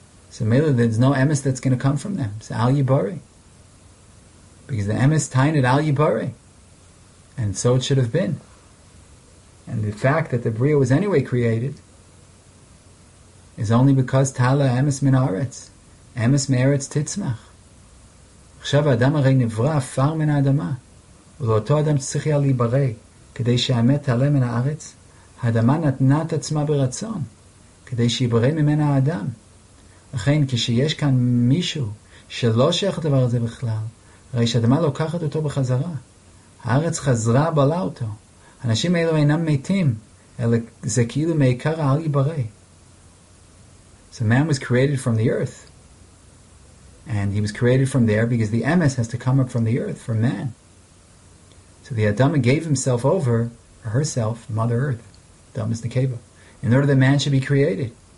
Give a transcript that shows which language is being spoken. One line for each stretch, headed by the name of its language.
English: So mele, there's no emes that's going to come from them. It's al yibare, because the emes tain at al yibare, and so it should have been. And the fact that the bria was anyway created is only because
Hebrew: tala emes min haaretz, emes meretz titzmach. עכשיו האדם הרי נברא אפר מן האדמה, ולאותו אדם צריך היה להיברא, כדי שהאמת תעלה מן הארץ. האדמה נתנה את עצמה ברצון, כדי שיברא ממנה האדם. לכן, כשיש כאן מישהו שלא שייך הדבר הזה בכלל, הרי שהאדמה לוקחת אותו בחזרה. הארץ חזרה, בלה אותו. אנשים האלו אינם מתים, אלא זה כאילו מעיקר העל ייברא.
English: So man was created from the earth. And he was created from there because the emes has to come up from the earth, from man. So the Adama gave himself over, or herself, Mother Earth, Adama's Nekeva, in order that man should be created.